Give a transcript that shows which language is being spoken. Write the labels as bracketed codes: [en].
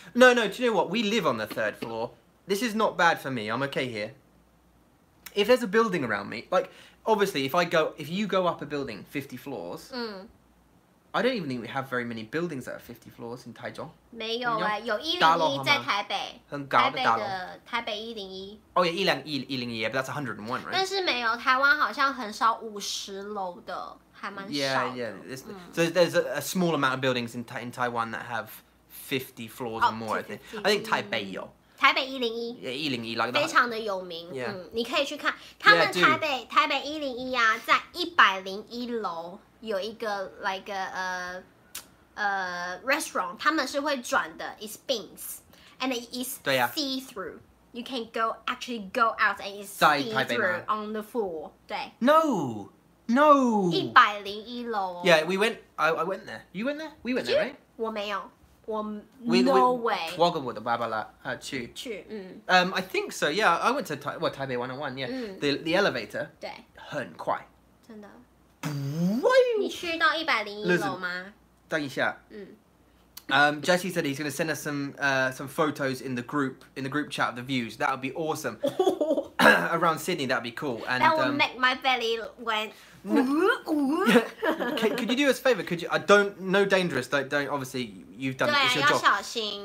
[en] No, do you know what? We live on the third floor. This is not bad for me. I'm okay here. if there's a building around me, like, obviously, if you go up a building 50 floors, I don't even think we have very many buildings that are 50 floors in Taichung. [zh] 没有，有101在台北，台北的101。哦，101，101， [en] but that's 101, right? [zh] 但是没有，台湾好像很少50楼的。 [en] Yeah, yeah. There's, so there's a small amount of buildings in Taiwan that have 50 floors or more, I think. I think Taipei Yo. Taipei 101. Yeah, 101, like that. [zh] 非常的有名。你可以去看。他们台北101啊,在101楼有一个, [en] like a restaurant. [zh] 他们是会转的, [en] it spins. And it is see-through. You can go actually go out and it's see-through on the floor. No! No! [zh] 101楼哦 [en] Yeah, we went, I went there. You went there? We went there, right? [zh] 我没有。 [en] No way. [zh] 我跟我的爸爸去。去, [en] I think so, yeah. I went to Taipei 101, yeah. The elevator. [zh] 对。很快。真的。你去到101楼吗? 等一下。 [en] Jesse said he's going to send us some photos in the group chat of the views. That would be awesome. Around Sydney, that would be cool. And, that would make my belly went... could you do us a favor? Could you? Don't, obviously, you've done it. It's your job.